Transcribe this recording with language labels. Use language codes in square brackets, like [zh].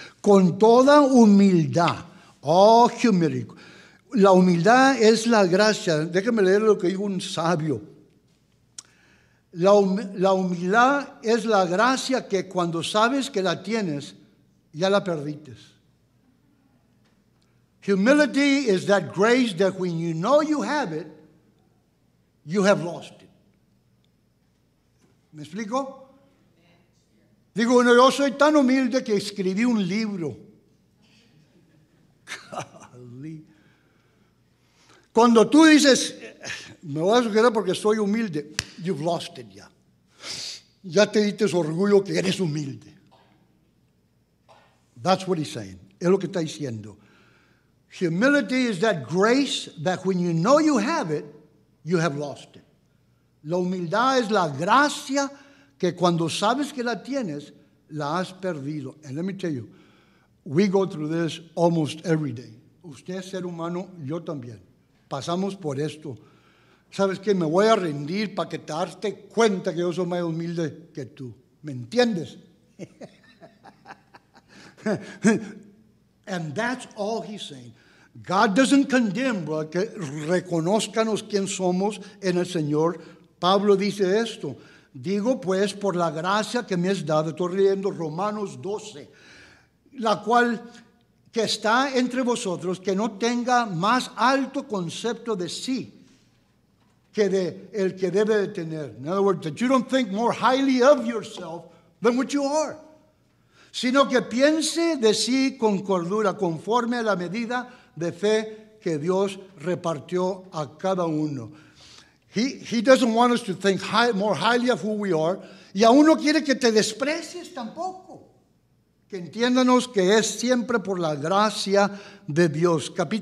[es] Con toda humildad. [en] Oh, humility. [es] La humildad es la gracia. Déjeme leer lo que dijo un sabio. La humildad es la gracia que cuando sabes que la tienes, ya la perdiste. [en] Humility is that grace that when you know you have it, you have lost it. [es] ¿Me explico? Digo, bueno, yo soy tan humilde que escribí un libro. [en] Golly. [es] Cuando tú dices, me voy a sugerir porque soy humilde, [en] you've lost it [es] ya. Ya te diste orgullo que eres humilde. [en] That's what he's saying. [es] Es lo que está diciendo. [en] Humility is that grace that when you know you have it, you have lost it. [es] La humildad es la gracia que cuando sabes que la tienes, la has perdido. [en] And let me tell you, we go through this almost every day. [es] Usted es ser humano, yo también. Pasamos por esto. ¿Sabes qué? Me voy a rendir para que te darte cuenta que yo soy más humilde que tú. ¿Me entiendes? [en] And that's all he's saying. God doesn't condemn, bro, [es] que reconózcanos quién somos en el Señor. Pablo dice esto. Digo, pues, por la gracia que me es dada. Estoy leyendo Romanos 12. La cual que está entre vosotros, que no tenga más alto concepto de sí que de el que debe de tener. [en] In other words, that you don't think more highly of yourself than what you are. [es] Sino que piense de sí con cordura, conforme a la medida de fe que Dios repartió a cada uno. [en] He doesn't want us to think more highly of who we are. [es] Y aún no quiere que te desprecies tampoco. Que entiéndanos que es siempre por la gracia de Dios.